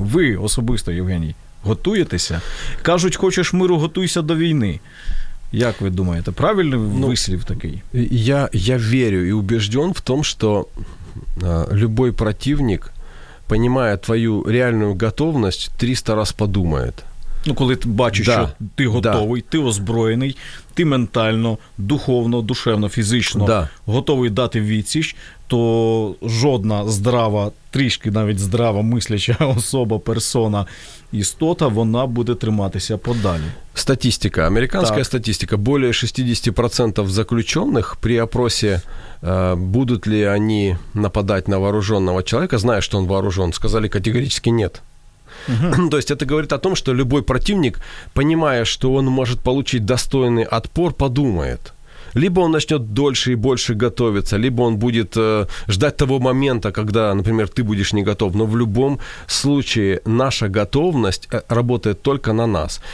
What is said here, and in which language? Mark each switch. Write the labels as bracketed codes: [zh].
[uk] Ви особисто, Євгеній, готуєтеся? Кажуть, хочеш миру, готуйся до війни. Як ви думаєте, правильний вислів такий? Я вірю і [ru] убежден [uk] в тому, що [ru] любой противник, понимая твою реальную готовность, 300 раз подумает. [uk] Ну, коли ти бачиш, да, що ти готовий, да, ти озброєний, ти ментально, духовно, душевно, фізично, да, готовий дати відсіч, то жодна здрава, трішки навіть здрава мисляча особа, персона, істота, вона буде триматися подалі. [ru] Статистика, [uk] американська так. [ru] Статистика, більше 60% заключених при опросі, будуть ли вони нападати на вооруженного чоловіка, знає, що він вооружен, сказали категорично ні. То есть это говорит о том, что любой противник, понимая, что он может получить достойный отпор, подумает. Либо он начнет дольше и больше готовиться, либо он будет ждать того момента, когда, например, ты будешь не готов. Но в любом случае наша готовность работает только на нас.